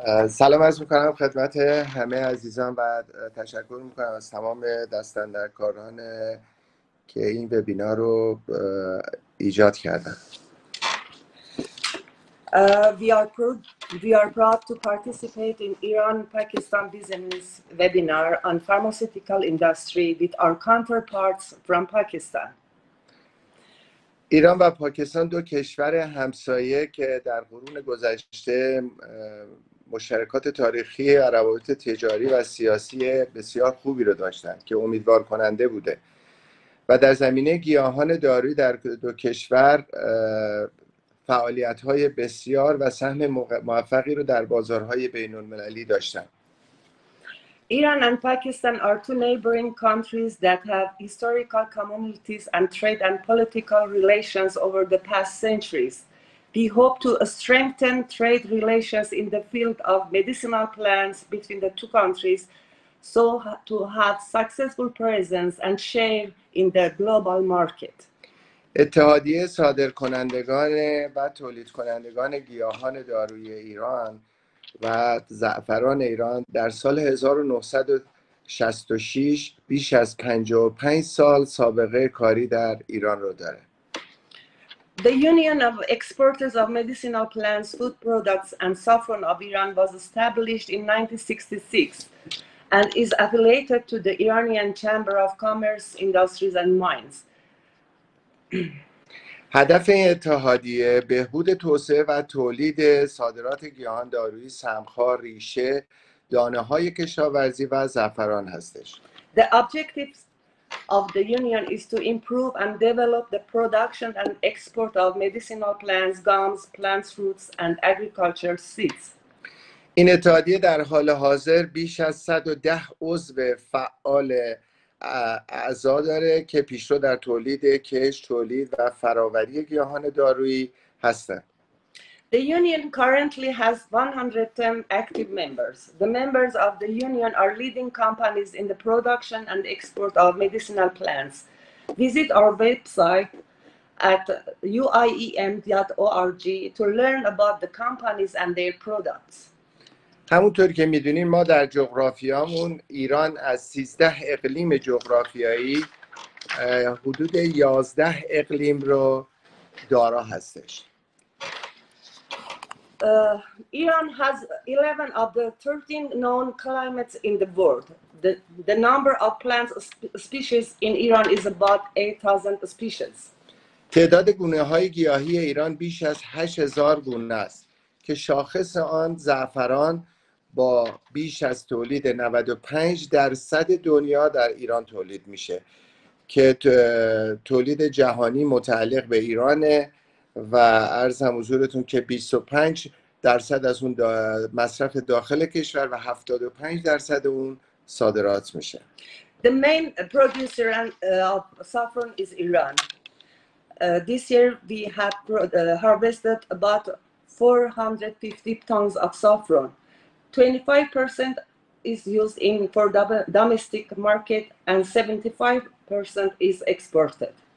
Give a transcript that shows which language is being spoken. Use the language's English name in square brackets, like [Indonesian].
[Persian] سلام عرض میکنم خدمت همه عزیزان و تشکر میکنم از تمام دستاندرکاران که این وبینار رو ایجاد کردن. [English] We are proud to participate in Iran-Pakistan business webinar on pharmaceutical industry with our counterparts from Pakistan. [Persian] ایران و پاکستان دو کشور همسایه که در قرون گذشته مشترکات تاریخی و روابط تجاری و سیاسی بسیار خوبی را داشتند که امیدوار کننده بوده و در زمینه گیاهان دارویی در دو کشور فعالیت‌های بسیار و سهم موفقی را در بازارهای بین‌المللی داشتند. [English] Iran and Pakistan are two neighboring countries that have historical communities and trade and political relations over the past centuries. We hope to strengthen trade relations in the field of medicinal plants between the two countries so to have successful presence and share in the global market. [Persian] اتحادیه صادرکنندگان و تولیدکنندگان گیاهان دارویی ایران و زعفران ایران در سال 1966 بیش از 55 سال سابقه کاری در ایران را داره. [English] The Union of Exporters of Medicinal Plants, Food Products and Saffron of Iran was established in 1966 and is affiliated to the Iranian Chamber of Commerce, Industries and Mines. [Persian] هدف این اتحادیه بهبود توسعه و تولید صادرات گیاهان دارویی، سمخار، ریشه، دانه‌های کشاورزی و زعفران هستش. [English] The objective of the union is to improve and develop the production and export of medicinal plants, gums, plants, fruits and agricultural seeds. [Persian] این اتحادیه در حال حاضر بیش از 110 عضو فعال اعضا داره که پیشرو در تولید کشت، تولید و فراوری گیاهان دارویی هستند. [English] The union currently has 110 active members. The members of the union are leading companies in the production and export of medicinal plants. Visit our website at uiem.org to learn about the companies and their products. [Persian] همونطور که میدونین ما در جغرافیامون ایران از 13 اقلیم جغرافیایی حدود 11 اقلیم رو دارا هستش. [English] Iran has 11 of the 13 known climates in the world. The number of plant species in Iran is about 8000 species. [Persian] تعداد گونه های گیاهی ایران بیش از 8000 گونه است که شاخص آن زعفران با بیش از تولید 95% دنیا در ایران تولید میشه که تولید جهانی متعلق به ایرانه و عرضم حضورتون که 25% از اون مصرف داخل کشور و 75% اون صادرات میشه. [English] The main producer of saffron is Iran. This year we have harvested about 450 tons of saffron. 25% is used in for domestic market and 75% is exported.